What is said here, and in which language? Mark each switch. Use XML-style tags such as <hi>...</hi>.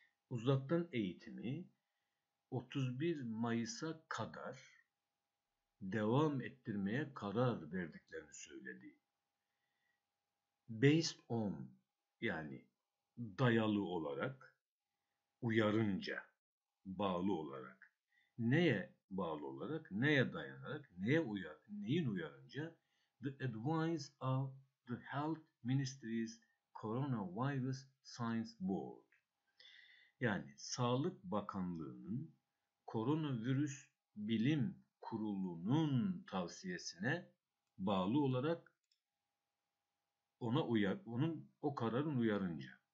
<tr>Uzaktan eğitimi 31 Mayıs'a kadar devam ettirmeye karar verdiklerini söyledi.</tr> <en>based on,</en> <tr>yani dayalı olarak, uyarınca, bağlı olarak. Neye bağlı olarak, neye dayanarak, neye uyar, neyin uyarınca?</tr> <en>The advice of the Health Ministry's Coronavirus Science Board.</en> <tr>Yani Sağlık Bakanlığı'nın Koronavirüs Bilim Kurulu'nun tavsiyesine bağlı olarak, ona uyar, onun o kararın uyarınca.</tr>